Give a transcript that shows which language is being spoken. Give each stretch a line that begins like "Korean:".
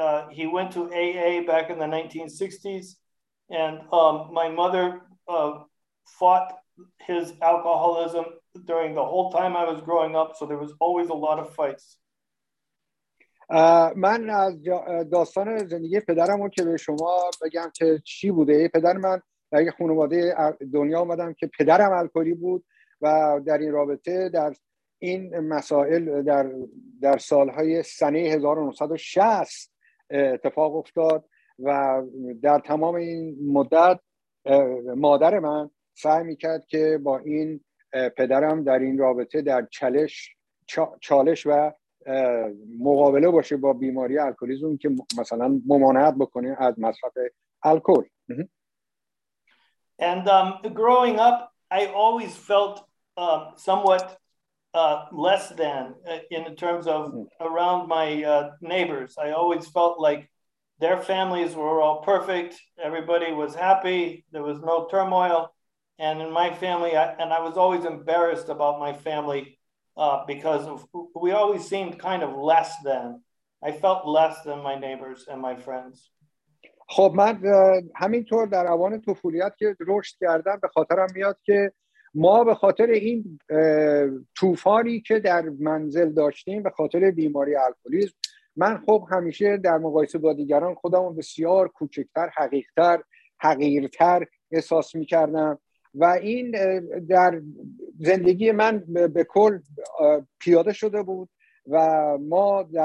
English: He went to AA back in the 1960s. And my mother fought his alcoholism during the whole time I was growing up. So there was always a lot of fights.
Persian: من از داستان زندگی پدرم رو که به شما بگم که چی بوده. پدر من در یک خانواده دنیا اومدم که پدرم الکلی بود و در این رابطه در این مسائل در سالهای سنه 1960 اتفاق افتاد و در تمام این مدت مادر من سعی میکرد که با این پدرم در این رابطه در چالش و مقابله باشه با بیماری الکلیزم که مثلا ممانعت بکنه از مصرف الکل.
English: And growing up, I always felt somewhat less than in terms of around my neighbors. I always felt like their families were all perfect. Everybody was happy. There was no turmoil. And in my family, I was always embarrassed about my family because we always seemed kind of less than. I felt less than my neighbors and my friends.
Persian: خب من همینطور در اوان طفولیت که رشد کردم به خاطرم میاد که ما به خاطر این طوفانی که در منزل داشتیم به خاطر بیماری الکلیسم، من خب همیشه در مقایسه با دیگران خودمو بسیار کوچکتر، حقیرتر، احساس میکردم و این در زندگی من به کل پیاده شده بود و ما